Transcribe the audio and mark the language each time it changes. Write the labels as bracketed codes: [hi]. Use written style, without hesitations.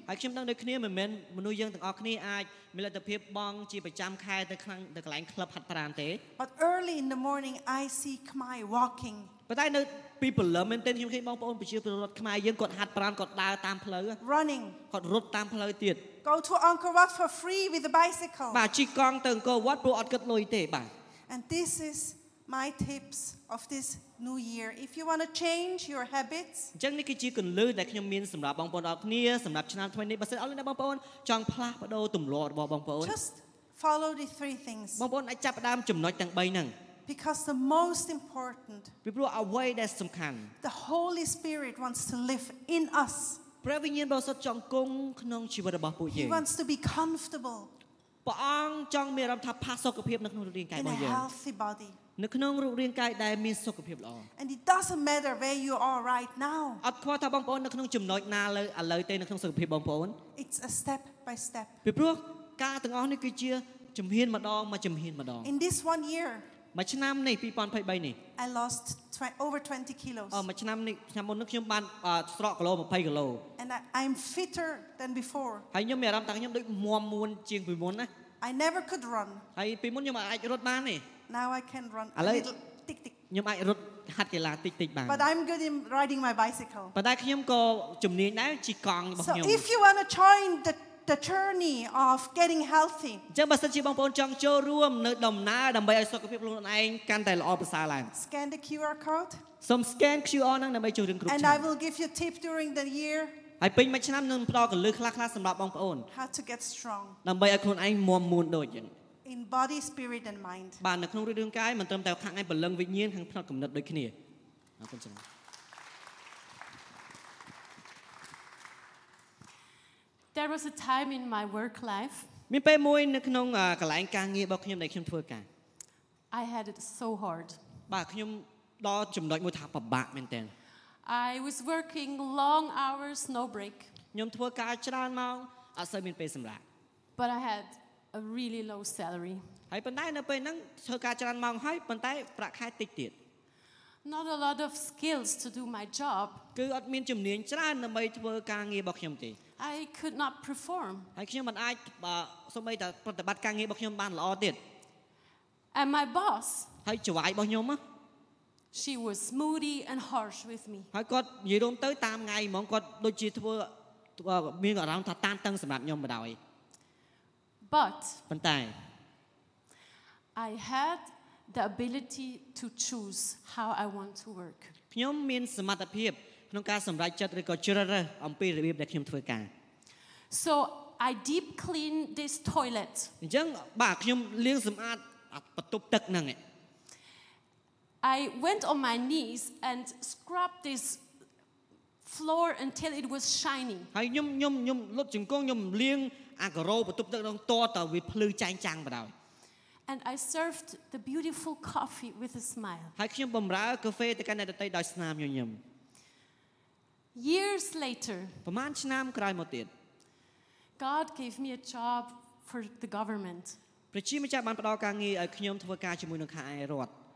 [en] But early in the morning, I see Khmer walking. Running. Go to Angkor Wat for free with a bicycle. And this is my tips of this new year. If you want to change your habits, [km] ចឹងនេះគឺជាគន្លឹះដែលខ្ញុំមានសម្រាប់បងប្អូនអរគ្នាសម្រាប់ឆ្នាំថ្មីនេះបើសិនអស់លោកអ្នកបងប្អូនចង់ផ្លាស់ប្ដូរទម្លាប់របស់បងប្អូន [en] Just follow the three things. [km] បងប្អូនអាចចាប់ផ្ដើមចំណុចទាំង3ហ្នឹង [en] Because the most important, [km] ពីព្រោះអ្វីដែលសំខាន់ [en] The Holy Spirit wants to live in us. [km] ព្រះវិញ្ញាណបរិសុទ្ធចង់គង់ក្នុងជីវិតរបស់ពួកយើង [en] He wants to be comfortable. [km] ព្រះអង្គចង់មានអារម្មណ៍ថាផាសុខភាពនៅក្នុងរូបរាងកាយរបស់យើងនៅក្នុងរូបរាងកាយដែលមានសុខភាពល្អ [en] And it doesn't matter where you are right now [km] អត់ខ្វល់ថាបងប្អូននៅក្នុងចំណុចណាលើឥឡូវទេនៅក្នុងសុខភាពបងប្អូន [en] It's a step by step [km] ពីព្រោះការទាំងអស់នេះគឺជាជំហានម្ដងមកជំហានម្ដង [en] In this one year [km] មួយឆ្នាំនេះ2023នេះ [en] I lost over 20 kilos [km] អស់មួយឆ្នាំនេះខ្ញុំមុននឹងខ្ញុំបានស្រកគីឡូ20គីឡូ [en] And I'm fitter than before [km] ហើយខ្ញុំមានអារម្មណ៍ថាខ្ញុំដូចមាំមួនជាងពីមុនណា [en] I never could run [km] ហើយពីមុនខ្ញុំអាចរត់បាននេះ [en] Now I can run a little tick tick [km] ខ្ញុំអាចរត់ហាត់កីឡាតិចតិចបាន [en] But I'm good in riding my bicycle [km] ប៉ុន្តែខ្ញុំក៏ជំនាញដែរជិះកង់របស់ខ្ញុំ [en] So if you want to join the journey of getting healthy [km] ចាំបសិនជាបងប្អូនចង់ចូលរួមនៅដំណើរដើម្បីឲ្យសុខភាពខ្លួនឯងកាន់តែល្អប្រសើរឡើង [en] Scan the QR code [km] សូម scan QR នោះដើម្បីចូលរួមក្រុម [en] And I will give you tip during the year [km] ហើយពេញមួយឆ្នាំនឹងផ្ដល់កលឺខ្លះៗសម្រាប់បងប្អូន [en] How to get strong [km] ដើម្បីឲ្យខ្លួនឯងមាំមួនដូចយ៉ាង [en] In body spirit and mind [km] បាននៅក្នុងរឿងកាយមិនត្រឹមតែខាងឯងព្រលឹងវិញ្ញាណខាងផ្នែកគំនិតដូចគ្នាអរគុណច្រើន [en] There was a time in my work life. [km] មានពេលមួយនៅក្នុងកន្លែងការងាររបស់ខ្ញុំដែលខ្ញុំធ្វើការ [en] I had it so hard. [km] បាទខ្ញុំដល់ចំណុចមួយថាពិបាកមែនទែន [en] I was working long hours, no break. [km] ខ្ញុំធ្វើការច្រើនម៉ោងអត់សូវមានពេលសម្រាក [en] But I had a really low salary. [km] ហើយប៉ុន្តែនៅពេលហ្នឹងធ្វើការច្រើនម៉ោងហើយប៉ុន្តែប្រាក់ខែតិចទៀត [en] Not a lot of skills to do my job. [km] គឺអត់មានជំនាញច្រើនដើម្បីធ្វើការងាររបស់ខ្ញុំទេ [en] I could not perform. [km] ហើយខ្ញុំមិនអាចសូម្បីតែប្រតិបត្តិការងាររបស់ខ្ញុំបានល្អទៀត [en] And my boss. [km] ហើយចៅហ្វាយរបស់ខ្ញុំ [en] She was moody and harsh with me. [km] ហើយគាត់និយាយរំទៅតាមថ្ងៃហ្មងគាត់ដូចជាធ្វើមានអារម្មណ៍ថាតានតឹងសម្រាប់ខ្ញុំបណ្ដោយ [en] But [km] ប៉ុន្តែ [en] I had the ability to choose how I want to work. [km] ខ្ញុំមានសមត្ថភាពក្នុងការសម្រេចចិត្តឬក៏ជ្រើសរើសអំពីរបៀបដែលខ្ញុំធ្វើការ [en] So I deep clean this toilet [km] អញ្ចឹងបាទខ្ញុំលាងសម្អាតបន្ទប់ទឹកហ្នឹង [en] I went on my knees and scrubbed this floor until it was shiny [km] ហើយខ្ញុំលុបជង្គង់ខ្ញុំលាងអាក្រូបន្ទប់ទឹកហ្នឹងតរតើវាភ្លឺចែងចាំងបណ្ដោយ [en] And I served the beautiful coffee with a smile [km] ហើយខ្ញុំបម្រើកាហ្វេទៅកាន់អ្នកដទៃដោយស្នាមញញឹម [en] Years later. [km] ប្រហែលឆ្នាំក្រោយមកទៀត [en] God gave me a job for the government. [km] ព្រះជាម្ចាស់បានផ្ដល់ការងារឲ្យខ្ញុំធ្វើការជាមួយនឹងខាងឯរដ្ឋ